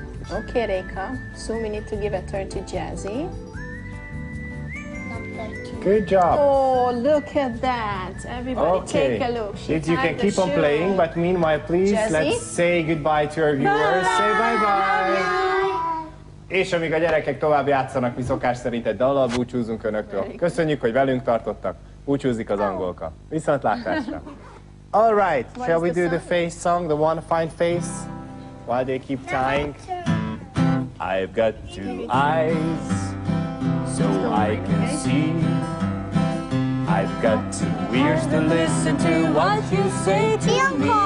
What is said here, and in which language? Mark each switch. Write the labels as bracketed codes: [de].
[en] Okay, Reka, soon we need to give a turn to Jazzy. Good job. Oh, look at that. Everybody take a look. Did you can keep on playing, but meanwhile, please, Jazzy? Let's say goodbye to our viewers. Bye-bye. Say bye-bye. [hu] És amíg a gyerekek tovább játszanak, mi szokás szerint egy dallal búcsúzunk önöktől. Köszönjük, hogy velünk tartottak. Búcsúzik az angolka. Viszontlátásra. [en] All right, what shall we the do song? The face song, the one fine face, while they keep tying? I've got two eyes. So I can see. I've got two ears to listen to what you say to me.